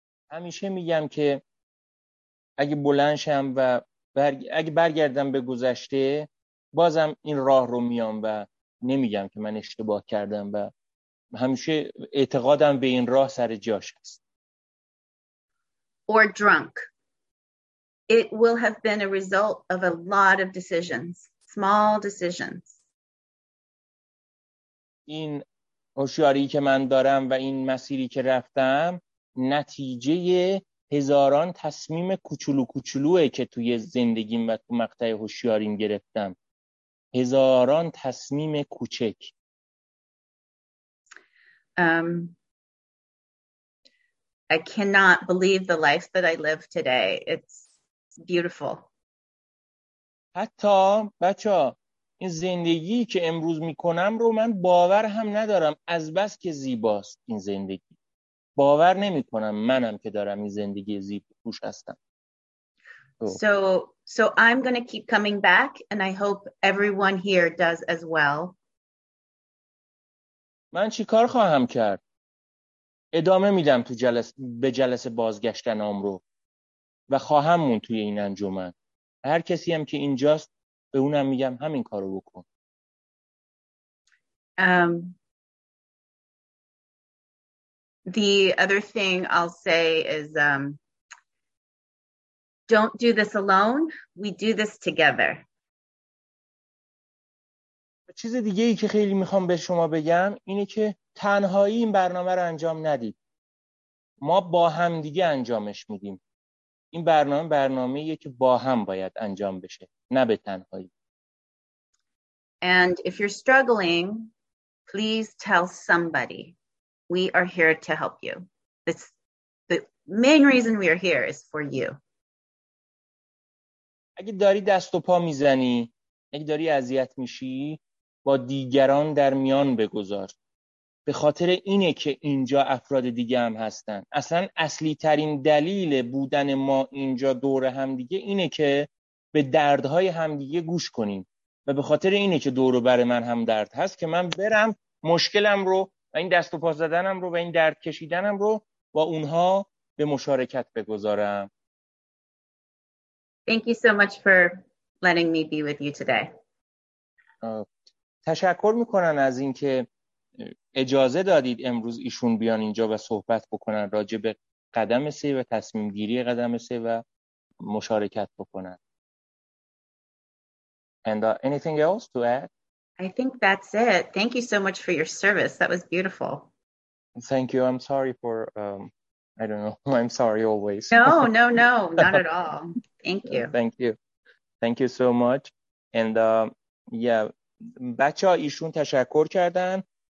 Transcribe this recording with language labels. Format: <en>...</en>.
<fa>همیشه میگم که اگه بلند شم و اگه برگردم به گذشته، بازم این راه رو میام و نمیگم که من اشتباه کردم و همیشه اعتقادم به این راه سر جاش است.</fa> <en>Or drunk. It will have been a result of a lot of decisions, small decisions.</en> <fa>این هوشیاری که من دارم و این مسیری که رفتم نتیجه هزاران تصمیم کوچولو کوچولوئه که توی زندگیم و تو مقطع هوشیاریم گرفتم. هزاران تصمیم کوچک.</fa> <en>I cannot believe the life that I live today. It's beautiful.</en> <fa>حتی بچه ها این زندگی که امروز میکنم رو من باور هم ندارم، از بس که زیباست این زندگی. باور نمی کنم منم که دارم این زندگی زیب خوش هستم.</fa> <en>So I'm going to keep coming back and I hope everyone here does as well.</en> <fa>من چی کار خواهم کرد؟ ادامه میدم تو جلسه به جلسه بازگشتنم رو و خواهم مون توی این انجمن. هر کسی هم که اینجاست به اونم میگم همین کارو بکن.</fa> <en>The other thing I'll say is don't do this alone, we do this together.</en> <fa>چیز دیگه ای که خیلی میخوام به شما بگم اینه که تنهایی این برنامه رو انجام ندید. ما با هم دیگه انجامش میدیم. این برنامه برنامه‌ایه که با هم باید انجام بشه، نه به تنهایی.</fa> <en>And if you're struggling, please tell somebody. We are here to help you. That's the main reason we are here is for you.</en> <fa>اگه داری دست و پا میزنی، اگه داری اذیت میشی، با دیگران در میان بگذار. به خاطر اینه که اینجا افراد دیگه هم هستن. اصلاً اصلی ترین دلیل بودن ما اینجا دور هم دیگه اینه که به دردهای هم دیگه گوش کنیم. و به خاطر اینه که دور و بر من هم درد هست که من برم مشکلم رو و این دست و پا زدنم رو و این درد کشیدنم رو با اونها به مشارکت بگذارم.</fa> <en>Thank you so much for letting me be with you today.</en> <fa>تشکر میکنن از اینکه اجازه دادید امروز ایشون بیان اینجا و صحبت بکنن راجع به قدم سه و تصمیم گیری قدم سه و مشارکت بکنن.</fa> <en>And anything else to add? I think that's it. Thank you so much for your service. That was beautiful. Thank you. I'm sorry for I don't know. I'm sorry always. No, not at all. Thank you. Thank you so much. And yeah,</en> <fa>بچه ها ایشون تشکر کردن.</fa>